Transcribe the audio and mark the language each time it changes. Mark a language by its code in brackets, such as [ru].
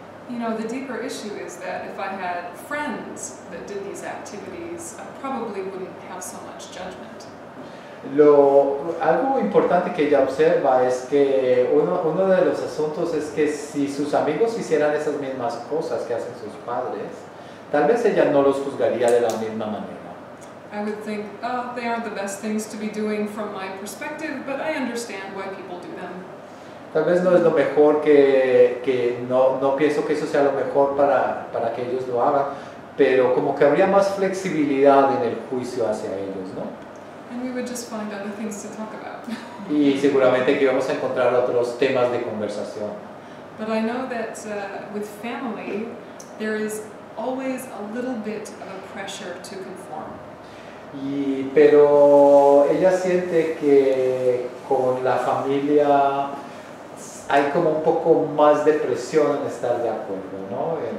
[en] You know, the deeper issue is that if I had friends that did these activities, I probably wouldn't have so much judgment. [es] Algo importante que ella observa es que uno de los asuntos es que si sus amigos hicieran esas mismas cosas que hacen sus padres, tal vez ella no los juzgaría de la misma manera. [en] I would think, oh, they aren't the best things to be doing from my perspective, but I understand why people do them. [es] Tal vez no es lo mejor que no pienso que eso sea lo mejor para que ellos lo hagan, pero como que habría más flexibilidad en el juicio hacia ellos, ¿no? [en] And we would just find other things to talk about. [es] Y seguramente que íbamos a encontrar otros temas de conversación. [en] But I know that with family, there is always a little bit of a pressure to conform. [es] Pero ella siente que con la familia hay como un poco más de presión en estar de acuerdo, ¿no?